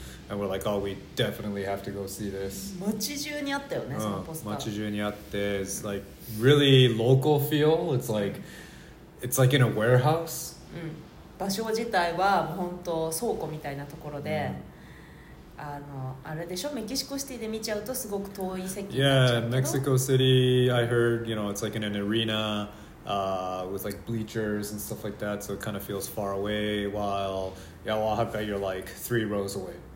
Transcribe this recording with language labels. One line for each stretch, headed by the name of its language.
English: And we're like, oh, we definitely have to go see this.
Japanese: 街中にあったよね、そのポスター。街中にあって、
English: it's like really local feel. It's like in a warehouse.
Japanese: 場所自体は本当倉庫みたいなところで、あれでしょ、メキシコシティで見ちゃうとすごく遠い席になっちゃうけど。
English: Yeah, Mexico City, I heard, you know, it's like in an arena, with like bleachers and stuff like that, so it kind of feels far away, while, yeah, well, I bet you're like three rows away.